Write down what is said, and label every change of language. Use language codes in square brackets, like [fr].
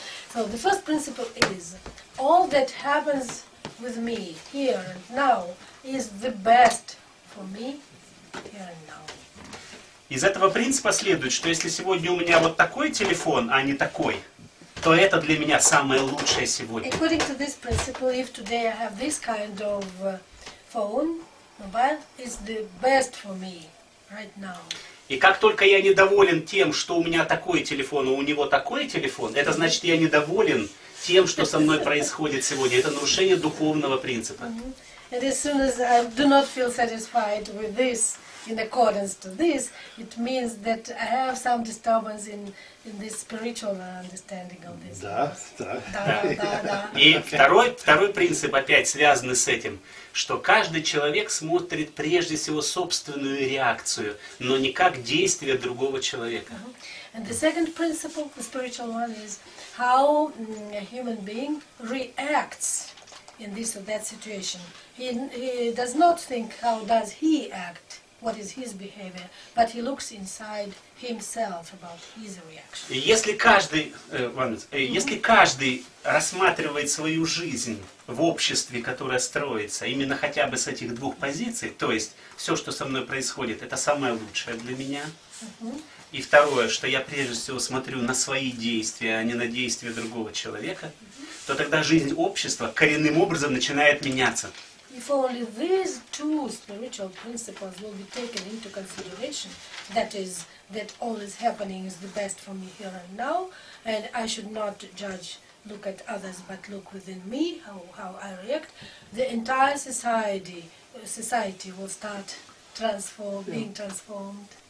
[en] So the first principle is all that happens with me here and now is the best for me here and now. [ru] Из этого принципа следует, что если сегодня у меня вот такой телефон, а не такой, то это для меня самое лучшее сегодня. [en] According to this principle, if today I have this kind of phone, mobile, it's the best for me right now. [ru] И как только я недоволен тем, что у меня такой телефон, а у него такой телефон, это значит, я недоволен тем, что со мной происходит сегодня. Это нарушение духовного принципа. Mm-hmm. [en] And as soon as I do not feel satisfied with this, in accordance to this, it means that I have some disturbance in this spiritual understanding of this. [ru] Да, да. Да, да, да. И второй принцип опять связанный с этим, что каждый человек смотрит прежде всего собственную реакцию, но не как действие другого человека. [en] And the second principle, the spiritual one, is how a human being reacts in this or that situation. He does not think how does he act. What is his behavior? But he looks inside himself about his reaction. [ru] Если каждый, mm-hmm. если каждый рассматривает свою жизнь в обществе, которое строится, именно хотя бы с этих двух позиций, то есть все, что со мной происходит, это самое лучшее для меня. Mm-hmm. И второе, что я прежде всего смотрю на свои действия, а не на действия другого человека, mm-hmm. то тогда жизнь общества коренным образом начинает меняться. [en] If only these two spiritual principles will be taken into consideration, that is, that all is happening is the best for me here and now, and I should not judge, look at others, but look within me, how I react, the entire society will start being transformed.